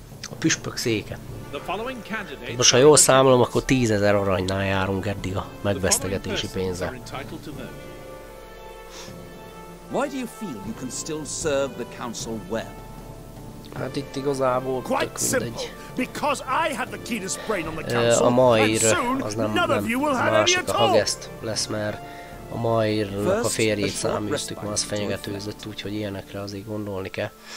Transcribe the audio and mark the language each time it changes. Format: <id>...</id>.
<hu>A püspök széke. Most ha jól számolom, akkor 10 000 aranynál járunk eddig a megvesztegetési pénzzel.</hu> <en>Why do you feel you can still serve the council well?</en> <hu>Hát itt igazából tök mindegy.</hu> <en>Because I have the keenest brain on the council.</en> <hu>A Maier, az nem másik a hagest lesz, mert a Maiernak a férjét száműztük, ma az fenyegetőzött, úgyhogy ilyenekre azért gondolni kell.</hu>